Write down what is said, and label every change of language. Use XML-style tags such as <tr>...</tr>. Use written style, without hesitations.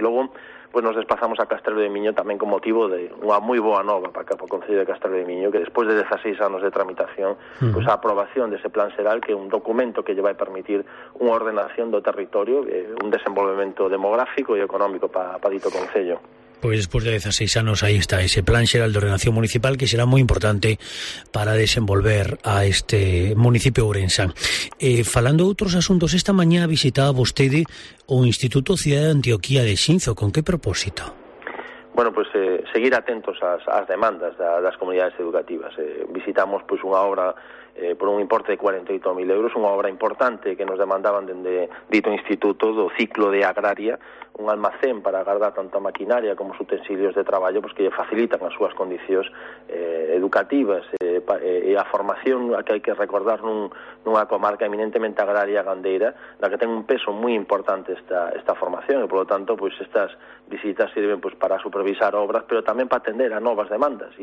<gl>E logo, pues, nos desplazamos a Castrelo de Miño tamén con motivo de unha moi boa nova para o Concello de Castrelo de Miño, que despois de 16 anos de tramitación, pues, a aprobación dese plan xeral, que é un documento que lle vai permitir unha ordenación do territorio, un desenvolvemento demográfico e económico para dito concello.</gl> <es>Pues después de 16 años, ahí está, ese plan xeral de ordenación municipal que será muy importante para desenvolver a este municipio ourensán. Falando de otros asuntos, esta mañana visitaba usted un Instituto Ciudad de Antioquía de Xinzo. ¿Con qué propósito? Bueno, pues seguir atentos a las demandas de las comunidades educativas. Visitamos, pues, una obra</es> <gl>por un importe de 48.000 euros, unha obra importante que nos demandaban dende dito instituto do ciclo de agraria, un almacén para agardar tanto a maquinaria como os utensilios de traballo, pois que lle facilitan as súas condicións educativas e a formación, que hai que recordar nunha comarca eminentemente agraria gandeira, na que ten un peso moi importante esta formación, e, polo tanto, pois estas visitas sirven pois para supervisar obras, pero tamén para atender a novas demandas.</gl>